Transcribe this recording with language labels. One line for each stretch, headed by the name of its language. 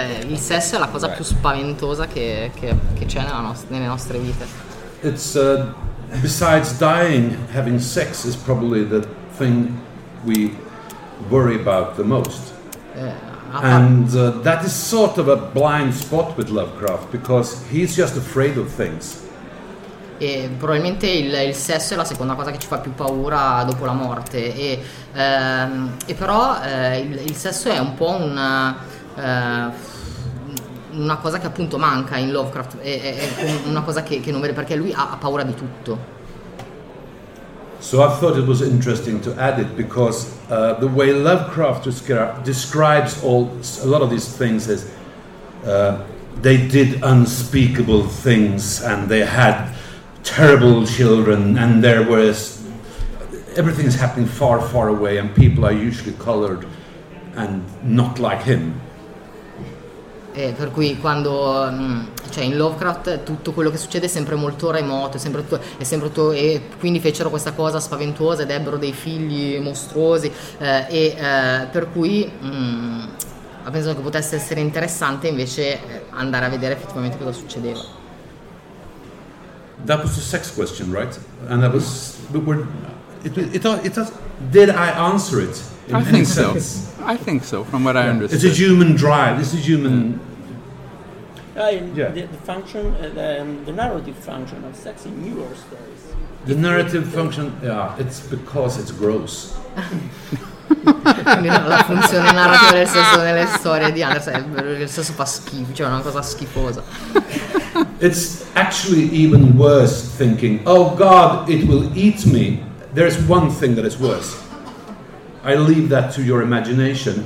Italian: Il sesso è la cosa più spaventosa che c'è nelle nostre vite.
English: It's besides dying, having sex is probably the thing we worry about the most, that is sort of a blind spot with Lovecraft, because he's just afraid of things.
Italian: E probabilmente il sesso è la seconda cosa che ci fa più paura dopo la morte, e però il sesso è un po' una cosa che appunto manca in Lovecraft, è una cosa che non vede, perché lui ha paura di tutto.
English: So I thought it was interesting to add it, because the way Lovecraft describes a lot of these things is they did unspeakable things, and they had terrible children, and there was everything's happening far, far away, and people are usually colored and not like him.
Italian: Per cui quando cioè in Lovecraft tutto quello che succede è sempre molto remoto, è sempre tutto, e quindi fecero questa cosa spaventosa ed ebbero dei figli mostruosi, per cui ho pensato che potesse essere interessante invece andare a vedere effettivamente cosa succedeva.
English: That was the sex question, right? And that was did I answer it? I think so, from what I understood. It's a human drive, it's a human... The narrative function of sex in newer stories. The narrative function, it's because it's gross.
Italian: La funzione narrativa del sesso nelle storie di Anderson, il sesso fa schifo, cioè una cosa schifosa.
English: It's actually even worse thinking, oh God, it will eat me. There's one thing that is worse. I leave that to your imagination.